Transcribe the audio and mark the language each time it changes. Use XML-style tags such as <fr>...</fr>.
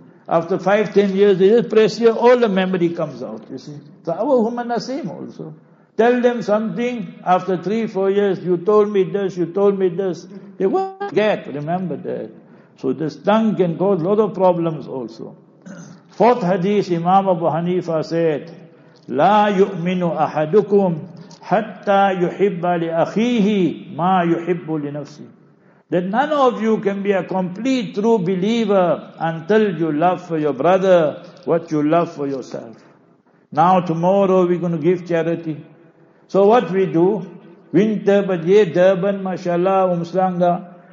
<en>After 5-10 years, they just press here, all the memory comes out, you see. So our women are same also. Tell them something, after 3-4 years, you told me this, you told me this. They won't get, remember that. So this tongue can cause a lot of problems also. Fourth hadith, Imam Abu Hanifa said,</en> <ar>لا يؤمن أحدكم حتى يحب لأخيه ما يحب لنفسه.</ar> <en>That none of you can be a complete true believer until you love for your brother what you love for yourself. Now tomorrow we're going to give charity. So what we do? Winter, but yeah, Durban, mashallah, Umslanga.</en>